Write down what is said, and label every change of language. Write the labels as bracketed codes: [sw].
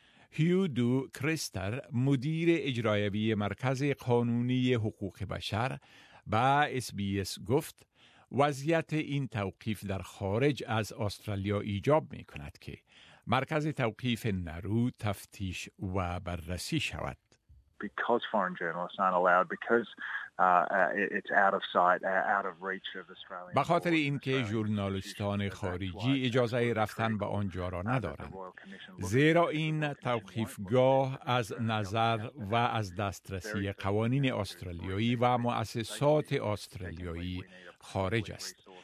[fa] هیو دو کریستر، مدیر اجرایوی مرکز قانونی حقوق بشر، با اس بی اس گفت وضعیت این توقیف در خارج از استرالیا ایجاب می کند که مرکز توقیف نرو تفتیش و بررسی شود. [en] Because foreign journalists aren't allowed, because it's out of sight, out of reach of Australian. [fa] به خاطر اینکه ژورنالیستان خارجی اجازه رفتن به آنجا را ندارند، زیرا این توقیفگاه از نظر و از دسترسی قوانین استرالیایی و مؤسسات استرالیایی خارج است.